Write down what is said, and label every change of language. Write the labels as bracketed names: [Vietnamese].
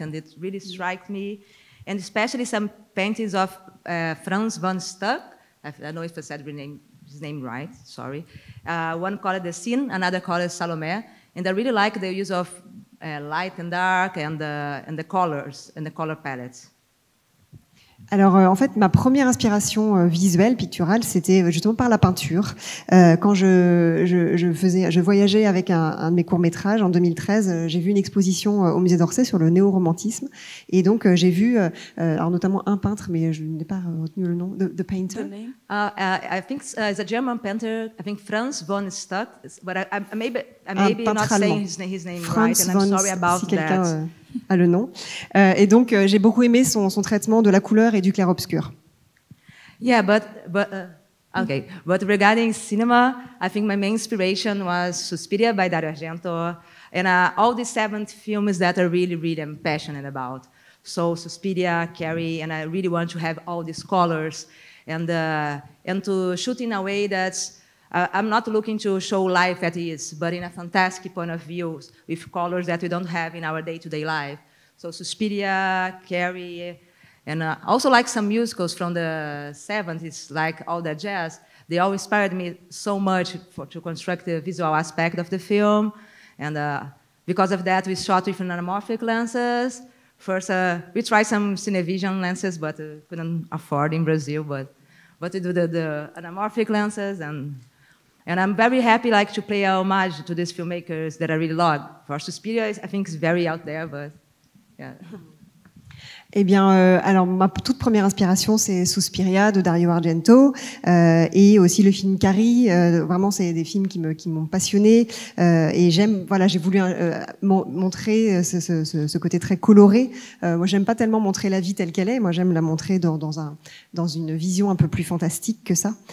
[English] And it really struck me. And especially some paintings of Franz von Stuck. I don't know if I said his name right, sorry. One called The Sin, another called Salomé. And I really like the use of light and dark and the colors and the color palettes. [French] Alors, en fait, ma première inspiration visuelle, picturale, c'était justement par la peinture. Quand je voyageais avec un de mes courts-métrages en 2013, j'ai vu une exposition au Musée d'Orsay sur le néo-romantisme. Et donc, j'ai vu, alors notamment un peintre, mais je n'ai pas retenu le nom, [English] the painter. The name? I think it's a German painter, I think Franz von Stuck, but I maybe not saying his name Franz right, and I'm sorry about [French] si quelqu'un, [English] that. [French] Ah, le nom. Et donc, j'ai beaucoup aimé son traitement de la couleur et du clair-obscur. [English] Yeah, but regarding cinema, I think my main inspiration was Suspiria by Dario Argento and all the seven films that I really, really am passionate about. So Suspiria, Carrie, and I really want to have all these colors and to shoot in a way that's I'm not looking to show life at ease, but in a fantastic point of view with colors that we don't have in our day-to-day life. So Suspiria, Carrie, and also like some musicals from the 70s, like all the jazz, they all inspired me so much to construct the visual aspect of the film. And because of that, we shot with anamorphic lenses. First, we tried some Cinevision lenses, but couldn't afford in Brazil, but we do the anamorphic lenses And I'm very happy like to play a homage to these filmmakers that I really love. For Suspiria, I think it's very out there, but yeah. [French] Eh bien, alors ma toute première inspiration, c'est Suspiria de Dario Argento, et aussi le film Carrie. Vraiment, c'est des films qui m'ont passionnée, et j'aime. Voilà, j'ai voulu montrer ce côté très coloré. Moi, j'aime pas tellement montrer la vie telle qu'elle est. Moi, j'aime la montrer dans une vision un peu plus fantastique que ça.